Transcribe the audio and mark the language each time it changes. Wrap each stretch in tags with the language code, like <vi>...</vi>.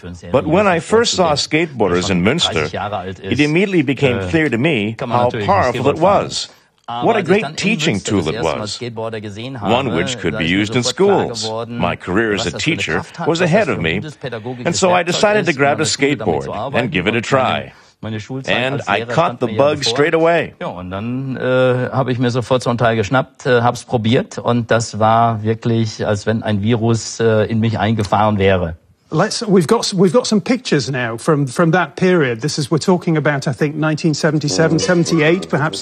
<en>But when I first saw skateboarders in Münster, it immediately became clear to me how powerful it was. What a great teaching tool it was, one which could be used in schools. My career as a teacher was ahead of me, and so I decided to grab a skateboard and give it a try. And I caught the bug straight away.</en> <de>Habe ich mir sofort so ein Teil geschnappt, hab's probiert, und das war wirklich, als wenn ein Virus in mich eingefahren wäre.</de> <en>We've got some pictures now from that period. This is, we're talking about, I think, 1977, 78, perhaps.</en>